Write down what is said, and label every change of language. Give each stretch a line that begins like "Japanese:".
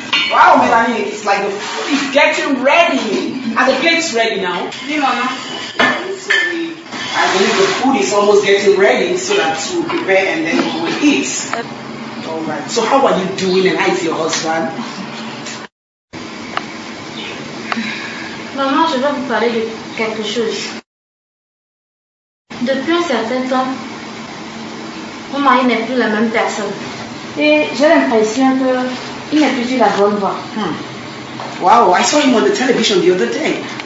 English: Wow, Melanie, it's like the food is getting ready. Are the plates ready now? Yeah, I believe the food is almost getting ready so that you prepare and then you will eat. Alright. So how are you doing and how is your husband?
French: Maman, je vais vous parler de quelque chose. Depuis un certain temps, mon mari n'est plus la même personne. Et j'ai l'impression qu'il n'est plus sur la bonne voie.
English: Wow, I saw him on the television the other day.